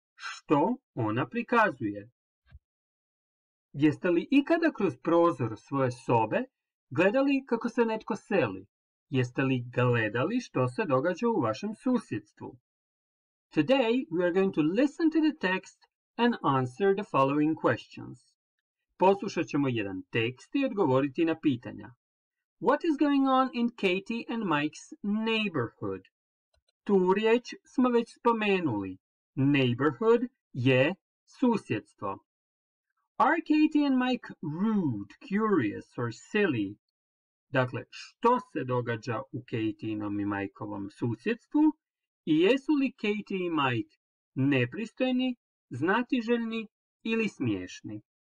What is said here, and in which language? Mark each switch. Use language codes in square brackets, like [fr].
[hr] Što ona prikazuje? Jeste li ikada kroz prozor svoje sobe gledali kako se netko seli? Jeste li gledali što se događa u vašem susjedstvu? [en] Today we are going to listen to the text and answer the following questions. [hr] Poslušat ćemo jedan tekst i odgovoriti na pitanja. [en] What is going on in Katie and Mike's neighborhood? [hr] Tu riječ smo već spomenuli. Neighborhood je susjedstvo. [en] Are Katie and Mike rude, curious or silly? [hr] Dakle, što se događa u Katie-inom i Mike-ovom susjedstvu? I jesu li Katie i Mike nepristojni, znatiželjni ili smiješni?